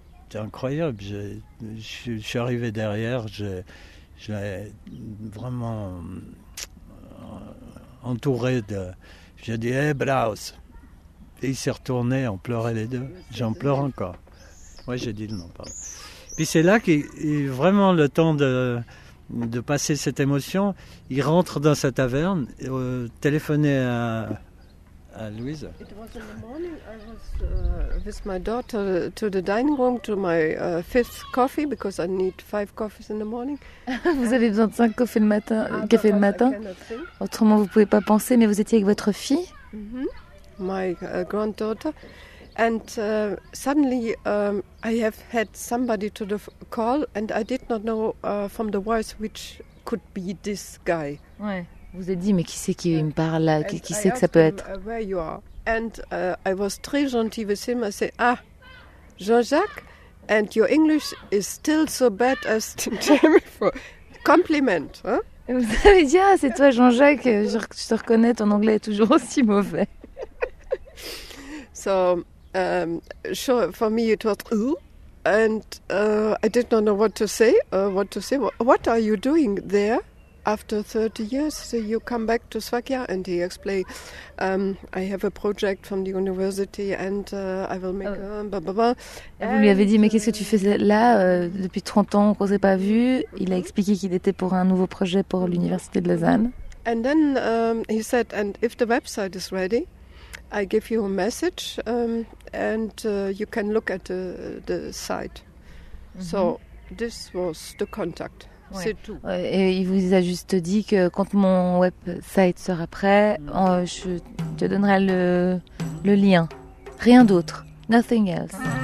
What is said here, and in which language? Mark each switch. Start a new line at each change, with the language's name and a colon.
French: C'est incroyable, je suis arrivé derrière, j'ai vraiment entouré de... J'ai dit, hey, Braus, Et il s'est retourné, on pleurait les deux. J'en pleure encore. Oui, j'ai dit le nom, pardon. Puis c'est là qu'il est vraiment le temps de passer cette émotion. Il rentre dans sa taverne, téléphoner à Louise.
English: It was in the morning, I was with my daughter to the dining room to my fifth coffee, because I need five coffees in the morning.
French: Vous avez besoin de cinq cafés le matin, café le matin. Autrement, vous ne pouvez pas penser, mais vous étiez avec votre fille.
English: My granddaughter. And suddenly I have had somebody to the call and I did not know from the voice which could be this guy.
French: Ouais, vous avez dit, mais qui c'est qui me parle là, qui c'est que ça peut être?
English: Where you are. And I was
French: très gentil
English: with him. I said, ah, Jean-Jacques, and your English is still so bad as Jennifer.
French: Compliment. Hein? Et vous avez dit, ah, c'est toi Jean-Jacques, je te reconnais, ton anglais est toujours aussi mauvais.
English: So, sure, for me it was ooh, and I did not know what to say. What are you doing there after 30 years? So you come back to Sfakia, and he explained, I have a project from the university, and I will make a blah blah blah.
French: Vous lui avez dit, mais qu'est-ce que tu fais là depuis 30 ans qu'on ne s'est pas vu? Il a expliqué qu'il était pour un nouveau projet pour l'université de Lausanne.
English: And then he said, and if the website is ready, I give you a message and you can look at the site. Mm-hmm. So this was the contact.
French: Ouais. C'est tout. Et il vous a juste dit que quand mon website sera prêt, je te donnerai le lien. Rien d'autre.
English: Nothing else.